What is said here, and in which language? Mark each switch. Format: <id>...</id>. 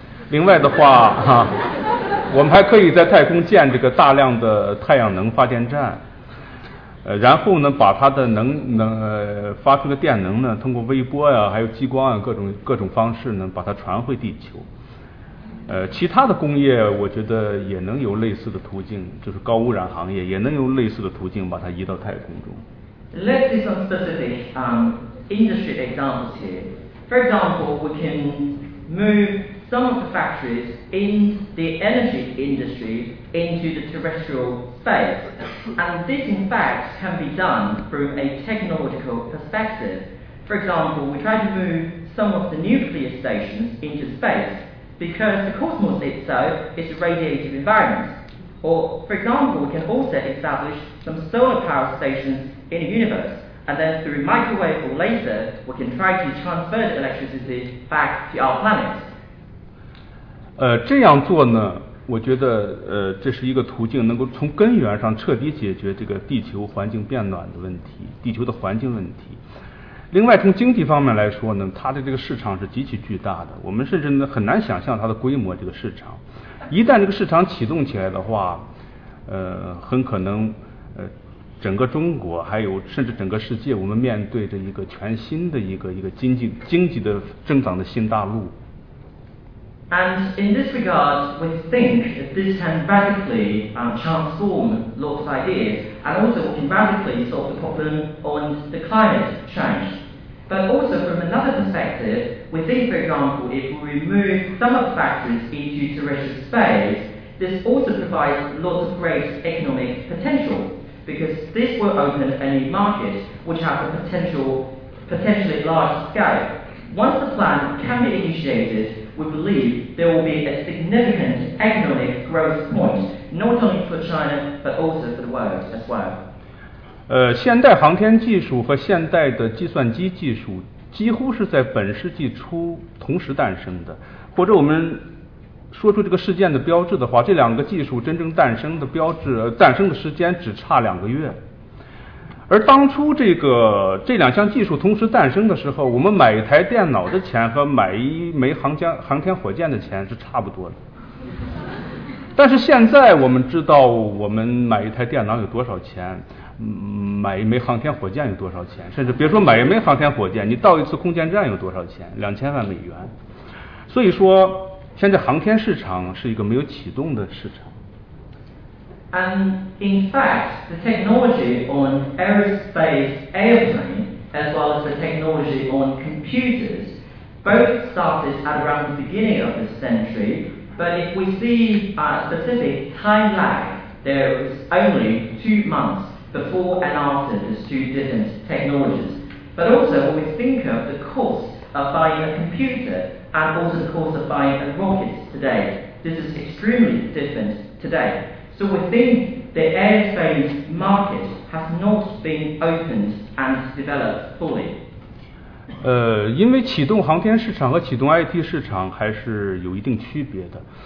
<zh>另外的话，我们还可以在太空建这个大量的太阳能发电站，然后呢，把它的发出的电能呢，通过微波呀，还有激光啊，各种方式呢，把它传回地球。其他的工业我觉得也能有类似的途径，就是高污染行业也能有类似的途径把它移到太空中。</zh> <en>Let's see some specific industry examples here. For example, we can move some of the factories in the energy industry into the terrestrial space. And this in fact can be done from a technological perspective. For example, we try to move some of the nuclear stations into space. Because the cosmos itself is a radiative environment. Or, for example, we can also establish some solar power stations in the universe, and then through microwave or laser, we can try to transfer the electricity back to our planet.</en> <zh>这样做呢，我觉得这是一个途径，能够从根源上彻底解决这个地球环境变暖的问题，地球的环境问题。另外从经济方面来说呢，它的这个市场是极其巨大的，我们甚至很难想象它的规模，这个市场一旦这个市场启动起来的话，很可能整个中国还有甚至整个世界，我们面对着一个全新的一个经济的增长的新大陆。</zh> <en>And in this regard, we think this can radically transform lots of ideas and also we can radically solve the problem on the climate change. But also from another perspective, we think, for example, if we remove some of the factories into terrestrial space, this also provides lots of great economic potential, because this will open a new market, which has a potentially large scale. Once the plan can be initiated, we believe there will be a significant economic growth point, not only for China, but also for the world as well.</en> <zh>现代航天技术和现代的计算机技术几乎是在本世纪初同时诞生的，或者我们说出这个事件的标志的话，这两个技术真正诞生的标志诞生的时间只差两个月。而当初这两项技术同时诞生的时候，我们买一台电脑的钱和买一枚航天火箭的钱是差不多的。但是现在我们知道我们买一台电脑有多少钱，买一枚航天火箭有多少钱，甚至别说买一枚航天火箭，你到一次空间站有多少钱，$2,000,000。所以说现在航天市场是一个没有启动的市场。</zh> <en>And in fact, the technology on aerospace airplane as well as the technology on computers both started at around the beginning of this century, but if we see a specific time lag, there is only 2 months. Before and after these two different technologies. But also, when we think of the cost of buying a computer and also the cost of buying a rocket today, this is extremely different today. So we think the airplane market has not been opened and developed fully.</en> <zh>因为启动航天市场和启动 IT 市场还是有一定区别的。</zh>